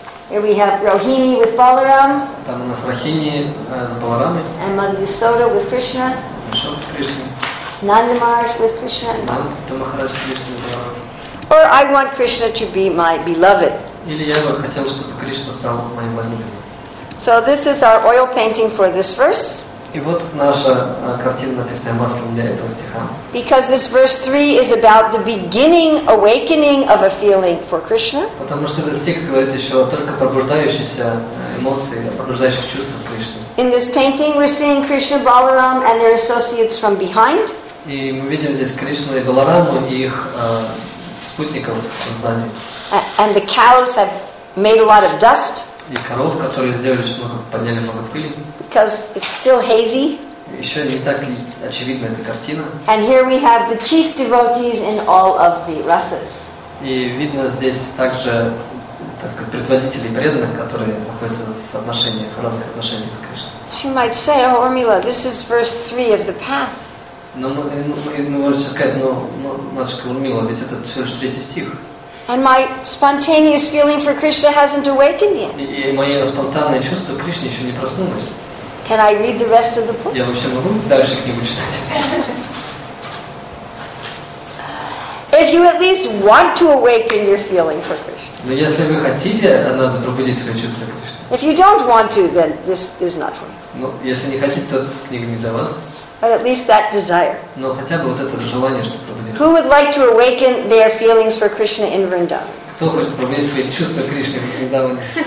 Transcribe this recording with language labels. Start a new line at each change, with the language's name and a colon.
English: Here we have Rohini with Balaram.
Russian: Там у нас Рахини с Баларамой.
English: And Mother Yasoda with Krishna.
Russian: Yasoda с Кришной.
English: Nanda Maharaj with Krishna.
Russian: Nanda Maharaj с Кришной и Баларамой.
English: Or I want Krishna to be my beloved.
Russian: Или я бы хотел, чтобы Кришна стал моим возлюбленным.
English: So this is our oil painting for this verse.
Russian: И вот наша картина, написанная маслом для этого стиха.
English: Because this verse 3 is about the beginning awakening of a feeling for Krishna.
Russian: Потому что этот стих говорит еще только пробуждающиеся эмоции, пробуждающих чувств Кришны.
English: In this painting we're seeing Krishna Balaram and their associates from behind.
Russian: И мы видим здесь Кришну и Баларама и их спутников сзади.
English: And the cows have made a lot of dust.
Russian: И коров, которые сделали очень много, подняли много пыли.
English: Because it's still hazy.
Russian: Еще не так очевидна эта картина.
English: And here we have the chief devotees in all of the rasas.
Russian: И видно здесь также, так сказать, предводителей преданных, которые находятся в отношениях, в разных отношениях с Кришной.
English: She might say, "Oh, Urmila, this is verse 3 of the path."
Russian: Но мы можем сейчас сказать, но матушка Урмила, ведь это всего лишь третий стих.
English: And my spontaneous feeling for Krishna hasn't awakened yet.
Russian: И мое спонтанное чувство Кришне еще не проснулось.
English: Can I read the rest of the book?
Russian: Я вообще могу дальше книгу читать.
English: If you at least want to awaken your feeling for Krishna.
Russian: Но если вы хотите, надо пробудить свое чувство к Кришне.
English: If you don't want to, then this is not for you.
Russian: Ну, если не хотите, то книга не для вас.
English: But at least that desire.
Russian: Но хотя бы вот это желание, что пробудить.
English: Who would like to awaken their feelings for Krishna in Vrindavan?
Russian: Кто хочет пробудить свои чувства Кришны в Вриндаване?